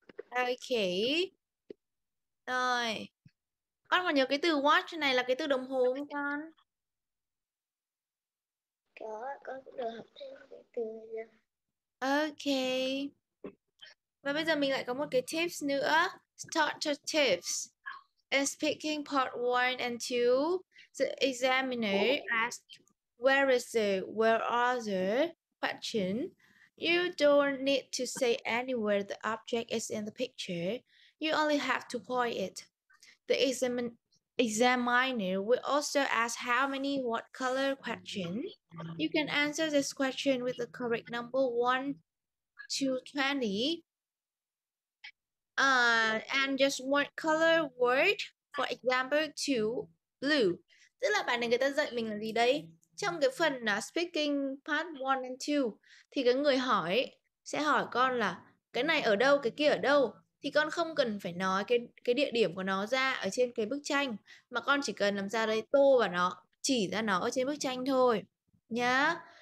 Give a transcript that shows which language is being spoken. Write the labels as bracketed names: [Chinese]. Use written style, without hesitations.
[Vietnamese] Ok. Rồi. Con còn nhớ cái từ watch này là cái từ đồng hồ không con? Có, con cũng được học thêm cái từ này. [English] Ok. [Vietnamese] Và bây giờ mình lại có một cái tips nữa. [English] Start to tips. In speaking part 1 and 2, the examiner asks, where is the, where are the question. You don't need to say anywhere the object is in the picture. You only have to point it. The examiner will also ask how many what color question. You can answer this question with the correct number 1 to 20. And just one color word, for example, to blue. [Vietnamese] Tức là bài này người ta dạy mình là gì đấy? Trong cái phần [English] speaking part 1 and 2 [Vietnamese] thì cái người hỏi sẽ hỏi con là cái này ở đâu, cái kia ở đâu, thì con không cần phải nói cái địa điểm của nó ra ở trên cái bức tranh, mà con chỉ cần làm ra đây tô và nó chỉ ra nó ở trên bức tranh thôi nhá.